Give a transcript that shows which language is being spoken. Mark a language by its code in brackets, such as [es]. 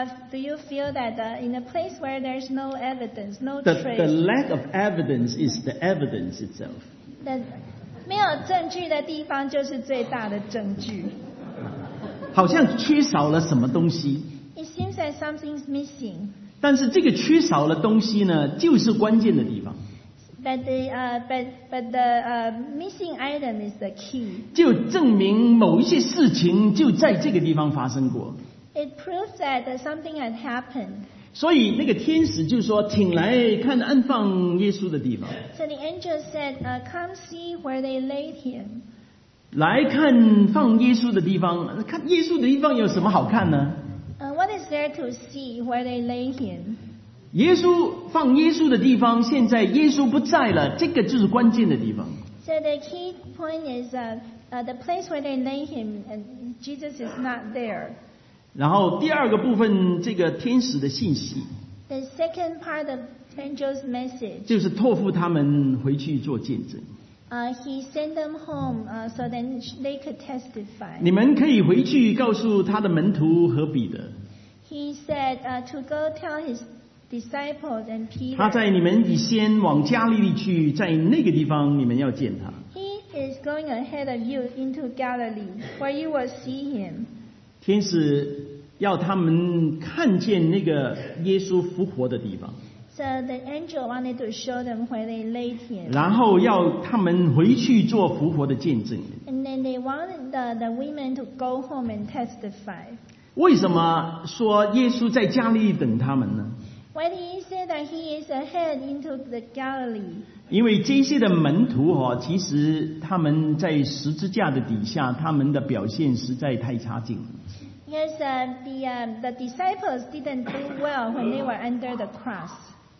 [en] Do you feel that in a place where there's no evidence, no trace? The lack of evidence is the evidence itself. [zh] 没有证据的地方就是最大的证据。好像缺少了什么东西。 [en] It seems that something's missing. [zh] 但是这个缺少的东西呢, 就是关键的地方。 [en] But the missing item is the key. [zh] 就证明某一些事情就在这个地方发生过。 [en] It proves that something had happened. [zh] 所以那个天使就说, 请来看安放耶稣的地方。 [en] So the angel said, come see where they laid him. [zh] 来看放耶稣的地方, 看耶稣的地方有什么好看呢? [en] What is there to see where they lay him? [zh] 耶稣放耶稣的地方, 现在耶稣不在了, 这个就是关键的地方。 [en] So the key point is the place where they lay him, and Jesus is not there. [zh] 然后第二个部分, 这个天使的信息, [en] the second part of angel's message, [zh] 就是托付他们回去做见证。 [en] He sent them home so then they could testify. [zh] 你们可以回去告诉他的门徒和彼得。 [en] He said to go tell his disciples and Peter. [zh] 他在你们以先往加利利去, 在那个地方你们要见他。 [en] He is going ahead of you into Galilee, where you will see him. [zh] 天使要他们看见那个耶稣复活的地方。 [en] So the angel wanted to show them where they laid him. [zh] 然后要他们回去做复活的见证。 [en] And then they wanted the women to go home and testify. [zh] 为什么说耶稣在加利利等他们呢？ [en] Why did he say that he is ahead into the Galilee? [zh] 因为这些的门徒哦，其实他们在十字架的底下，他们的表现实在太差劲。 [en] Because the disciples didn't do well when they were under the cross.